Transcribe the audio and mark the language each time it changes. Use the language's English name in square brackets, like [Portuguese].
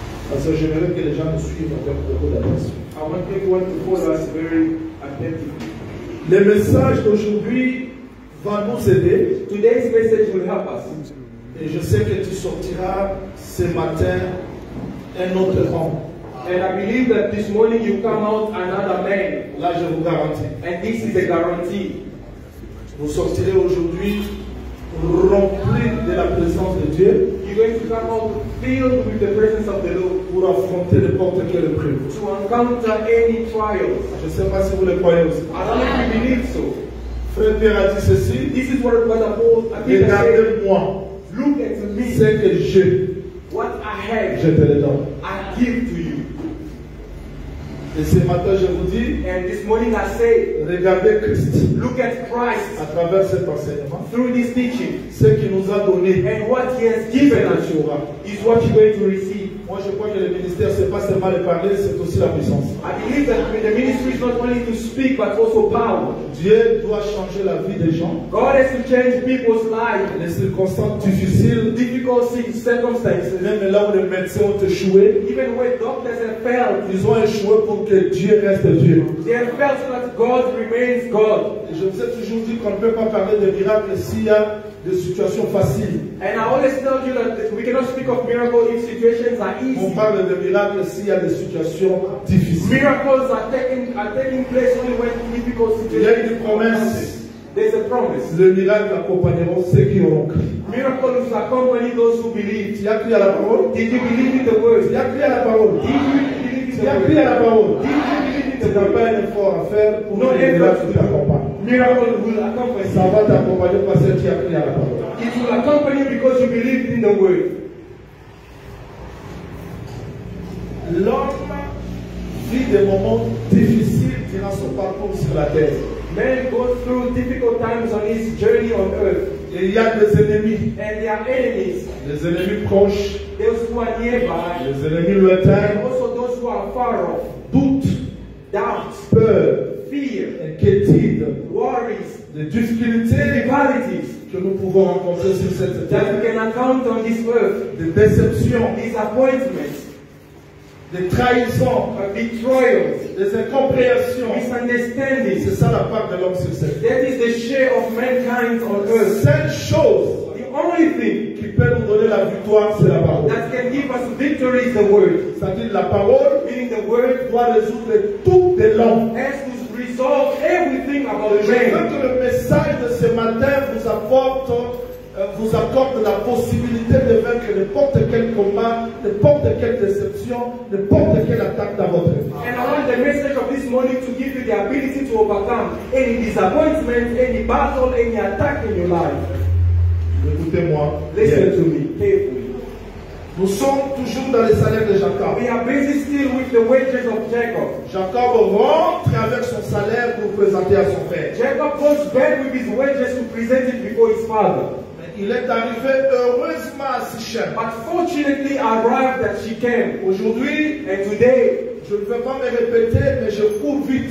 [French] Parce que j'aimerais que les gens nous suivent avec beaucoup d'attention. [English] I want everyone to follow us very attentively. [French] Le message d'aujourd'hui va nous aider. [English] Today's message will help us. [French] Et je sais que tu sortiras ce matin un autre rang. [English] And I believe that this morning you come out another man. [French] Là, je vous garantis. [English] And this is a guarantee. [French] Vous sortirez aujourd'hui rempli de la présence de Dieu. [English] You're going to come out filled with the presence of the Lord. [French] Pour affronter n'importe quelle épreuve. [English] To encounter any trials. [French] Je ne sais pas si vous le croyez aussi. [English] I don't know if you believe so. [French] Frère Pierre a dit ceci. [English] This is what Brother Paul [French] a dit. Regardez-moi. [English] Look at me. [French] Ce que j'ai. [English] What I have. [French] Je te le donne. [English] I give to you. [French] Et ce matin, je vous dis, [English] and this morning I say, [French] regardez Christ. [English] Look at Christ. [French] À travers cet enseignement. [English] Through this teaching. [French] Ce qu'il nous a donné. [English] And what he has given us. Is what you're going to receive. [French] Moi, je crois que le ministère, c'est pas seulement le parler, c'est aussi la puissance. [English] I believe that the ministry is not only to speak, but also power. [French] Dieu doit changer la vie des gens. [English] God has to change people's lives. [French] Les circonstances difficiles. [English] Difficult circumstances. [French] Même là où les médecins ont échoué. [English] Even where doctors have failed. [French] Ils ont échoué pour que Dieu reste Dieu. [English] They have failed so that God remains God. [French] Et je vous ai toujours dit qu'on ne peut pas parler de miracles s'il y a des situations faciles. [English] And I always tell you that we cannot speak of miracles if situations are easy. [French] On parle de miracles s'il y a des situations difficiles. [English] Miracles are taking place only when difficult situations. [French] Il y a une promesse. [English] There's a promise. [French] Le miracle accompagnera ceux qui ont cru. [English] Miracles accompany those who believe. [French] Tu as cru à la parole? [English] Did you believe in the word? [French] Tu as cru à la parole? [English] Did you believe in the word? [French] Tu as cru à la parole? [English] Did you believe in the [French] word? Tu n'as pas un effort à faire pour que le miracle t'accompagne. [English] Miracle will accompany. [French] Ça va t'accompagner parce que tu as cru à la parole. [English] It will accompany you because you believed in the word. [French] L'homme vit des moments difficiles durant son parcours sur la terre. [English] Man goes through difficult times on his journey on earth. [French] Et il y a des ennemis. [English] And there are enemies. [French] Les ennemis proches. [English] Those who are nearby. [French] Les ennemis lointains. [English] Also those who are far off. [French] Doute. [English] Doubt. [French] Peur. [English] Fear. [French] Inquiétude. [English] Worries. [French] Les difficultés. [English] Difficulties. [French] Que nous pouvons rencontrer sur cette terre. [English] That we can encounter on this earth. [French] Des déceptions. [English] Disappointments. [French] Des trahisons, [English] betrayals, [French] des incompréhensions, [English] misunderstandings. [French] C'est ça la part de l'homme sur cette. [English] That is the share of mankind on earth. [French] Cette chose, [English] the only thing [French] qui peut nous donner la victoire, c'est la parole. [English] That can give us victory is the word. [French] C'est-à-dire la parole, [English] meaning the word, [French] doit résoudre tout de l'homme. [English] Has to resolve everything about the man. [French] Je veux que le message de ce matin vous accorde la possibilité de vaincre n'importe quel combat, n'importe quelle déception, n'importe quelle attaque dans votre vie. [English] And I want the message of this morning to give you the ability to overcome any disappointment, any battle, any attack in your life. [French] Écoutez-moi. [English] Listen yes. To me. [French] Nous sommes toujours dans les salaires de Jacob. [English] We are busy still with the wages of Jacob. [French] Jacob rentre avec son salaire pour présenter à son père. [English] Jacob goes back with his wages to present it before his father. [French] Il est arrivé heureusement à Sichem. [English] But fortunately arrived at Shechem. [French] Aujourd'hui, [English] and today, [French] je ne peux pas me répéter, mais je cours vite.